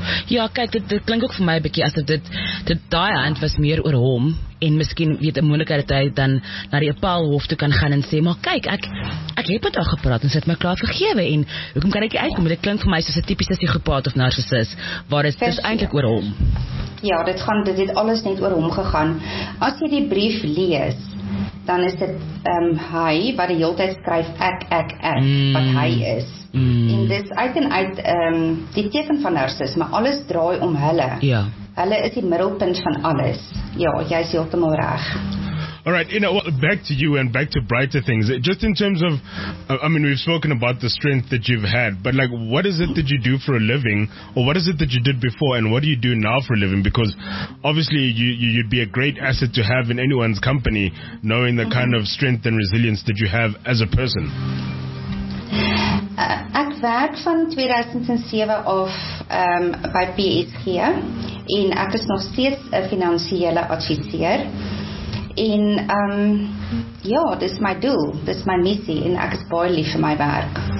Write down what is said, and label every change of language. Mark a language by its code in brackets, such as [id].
[af] Ja, kyk, dit klink ook vir my 'n bietjie asof dit daai hand was meer oor hom en miskien weet 'n moontlikheid dat hy dan na die Apal hof toe kan gaan en sê, maar kyk, ek het met haar gepraat en sy het my klaar vergewe en hoekom kan ek nie uitkom? Dit klink vir my soos 'n tipiese psigopaat of narcissus, waar dit is eintlik oor hom. Ja, dit het alles net oor hom gegaan. As jy die brief lees, dan is dit hy wat die hele tyd skryf ek, wat hy is. En dis uit en uit die teken van narcisme, alles draai om hulle. Ja. Hulle is die middelpunt van alles. Ja, jy is heeltemal reg. [en] Alright, you know, well, back to you and back to brighter things. Just in terms of, I mean, we've spoken about the strength that you've had, but like, what is it that you do for a living, or what is it that you did before, and what do you do now for a living? Because obviously you'd be a great asset to have in anyone's company, knowing the kind of strength and resilience that you have as a person. [af] Ek werk van 2007 af by PSG, en ek is nog steeds 'n finansiële adviseur. En ja, dit is my doel, dit is my missie en ek is baie lief vir my werk.